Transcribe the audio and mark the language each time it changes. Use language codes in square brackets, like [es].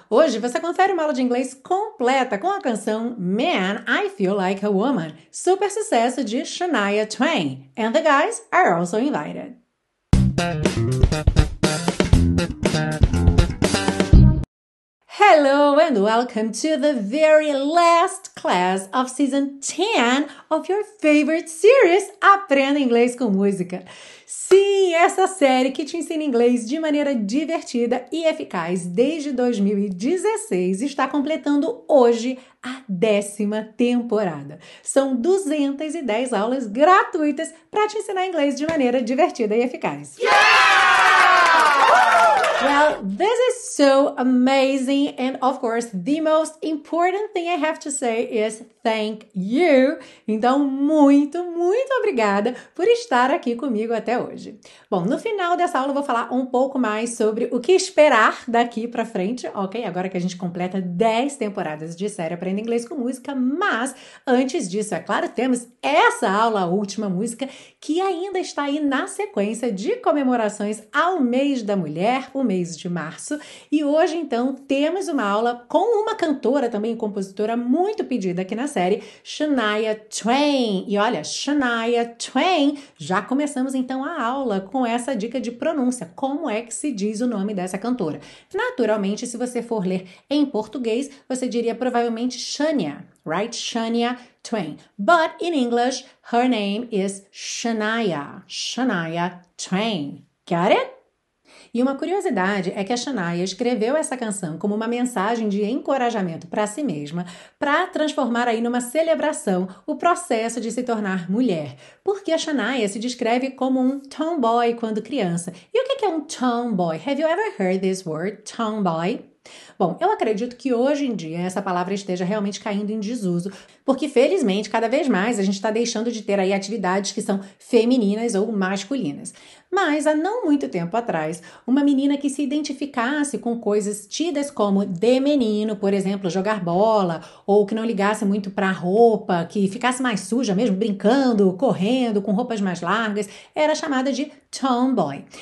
[pt] Hoje você confere uma aula de inglês completa com a canção Man, I Feel Like a Woman, super sucesso de Shania Twain. [en] And the guys are also invited. Hello and welcome to the very last class of season 10 of your favorite series, Aprenda Inglês com Música. [pt] Sim, essa série que te ensina inglês de maneira divertida e eficaz desde 2016 está completando hoje a 10ª temporada. São 210 aulas gratuitas para te ensinar inglês de maneira divertida e eficaz. [en] Well, this is so amazing, and of course, the most important thing I have to say is thank you. [pt] Então, muito, muito obrigada por estar aqui comigo até hoje. Bom, no final dessa aula eu vou falar um pouco mais sobre o que esperar daqui para frente, ok? Agora que a gente completa 10 temporadas de série Aprenda Inglês com Música, mas antes disso, é claro, temos essa aula, a última música, que ainda está aí na sequência de comemorações ao mês da mulher, o mês de março. E hoje, então, temos uma aula com uma cantora também, compositora muito pedida aqui na série, Shania Twain. E olha, Shania Twain, já começamos então a aula com essa dica de pronúncia, como é que se diz o nome dessa cantora. Naturalmente, se você for ler em português, você diria provavelmente Shania, right? Shania Twain. [en] But in English, her name is Shania. Shania Twain. Got it? [pt] E uma curiosidade é que a Shania escreveu essa canção como uma mensagem de encorajamento para si mesma, para transformar aí numa celebração o processo de se tornar mulher. Porque a Shania se descreve como um tomboy quando criança. E o que é um tomboy? [en] Have you ever heard this word, tomboy? [pt] Bom, eu acredito que hoje em dia essa palavra esteja realmente caindo em desuso, porque felizmente cada vez mais a gente está deixando de ter aí atividades que são femininas ou masculinas. Mas há não muito tempo atrás, uma menina que se identificasse com coisas tidas como de menino, por exemplo, jogar bola, ou que não ligasse muito para a roupa, que ficasse mais suja mesmo, brincando, correndo, com roupas mais largas, era chamada de tomboy.